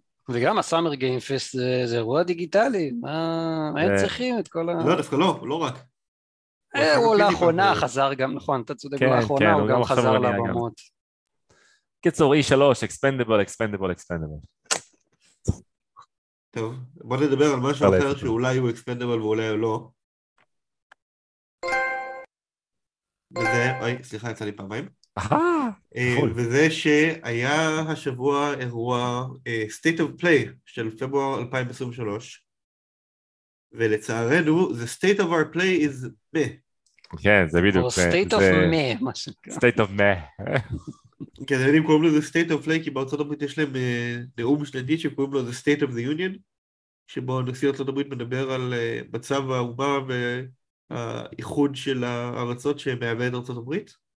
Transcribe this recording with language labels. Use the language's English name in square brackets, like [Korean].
[Hebrew] וגם הסאמר גיימס פסט זה אירוע דיגיטלי, מה הם צריכים את כל ה... לא, דווקא לא, לא רק. הוא לאחרונה חזר גם, נכון, אתה צודק, לאחרונה הוא גם חזר לבמות. קיצור, E3, expendable, expendable, expendable. טוב, בוא נדבר על משהו אחר שאולי הוא expendable ואולי הוא לא. וזה, אוי, סליחה, יצא לי פעמיים. וזה שהיה השבוע אירוע State of Play של פברואר 2023, ולצערנו, [English] the state of our play is meh. [Hebrew] כן, זה בדיוק. או state of meh, מה שקרה. [English] State of meh. [Hebrew] כי אתם יודעים, קוראים לו The State of Play, כי בארצות הברית יש להם נאום שלנדית שקוראים לו The State of the Union, שבו נשיא ארצות הברית מדבר על מצב האומה והאיחוד של הארצות שמהווה את ארצות הברית.